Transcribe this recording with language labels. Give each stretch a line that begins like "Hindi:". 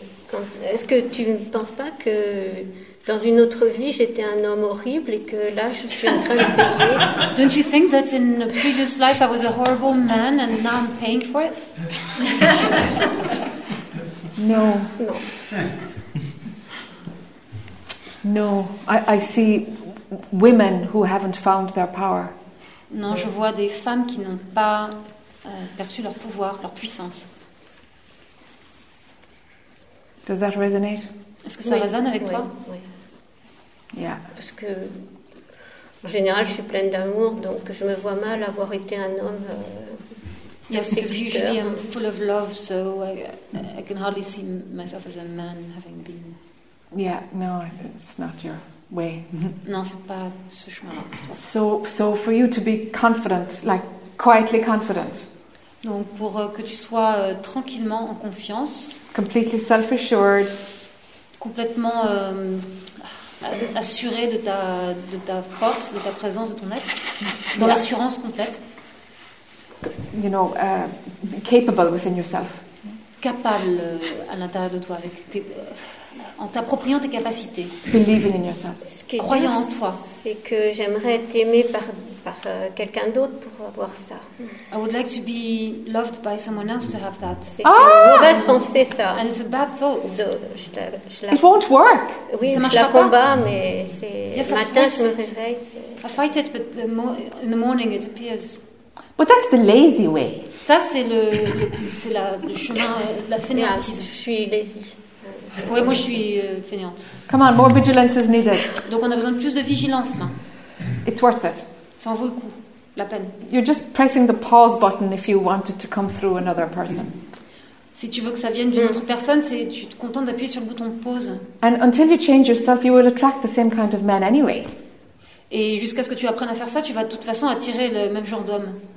French: Quand, est-ce que tu ne penses pas que dans une autre vie j'étais un homme horrible et que là je suis en train de payer?
English: Don't you think that in a previous life I was a horrible man and now I'm paying for it? No. I see women who haven't found their power.
French: Non, je vois des femmes qui n'ont pas perçu leur pouvoir, leur puissance.
English: Does that resonate?
French: Est-ce que ça résonne avec toi? Oui.
English: Yeah.
French: Parce que en général, je suis pleine d'amour, donc je me vois mal avoir été un homme
English: Yes, because usually I'm full of love, so I can hardly see myself as a man having been. Yeah, no, it's not your way.
French: Non, c'est pas ce chemin.
English: So for you to be confident, like quietly confident.
French: Donc pour que tu sois tranquillement en confiance.
English: Completely self-assured.
French: Complètement assuré de ta force, de ta présence, de ton être, dans l'assurance complète.
English: You know, capable within yourself.
French: Capable à l'intérieur de toi, avec tes, en t'appropriant tes capacités.
English: Believing in yourself.
French: Croyant en toi. C'est que j'aimerais être aimée par quelqu'un d'autre pour avoir ça.
English: I would like to be loved by someone else to have that.
French: Mauvaise pensée, ça.
English: And it's a bad thought. It won't work.
French: Oui, ça je la combat, mais c'est
English: yes,
French: matin, je me réveille.
English: I fight it, but in the morning it appears. But that's the lazy way.
French: Ça c'est le chemin de la fainéantise. Je suis
English: lazy.
French: Ouais, moi je suis fainéante.
English: Come on, more vigilance is needed.
French: Donc on a besoin de plus de vigilance là.
English: It's worth it.
French: Ça en vaut le coup, la peine.
English: You're just pressing the pause button if you want it to come through another person.
French: Si tu veux que ça vienne d'une autre personne, c'est tu te contentes d'appuyer sur le bouton pause.
English: And until you change yourself, you will attract the same kind of men anyway.
French: Et jusqu'à ce que tu apprennes à faire ça, tu vas de toute façon attirer le même genre d'homme.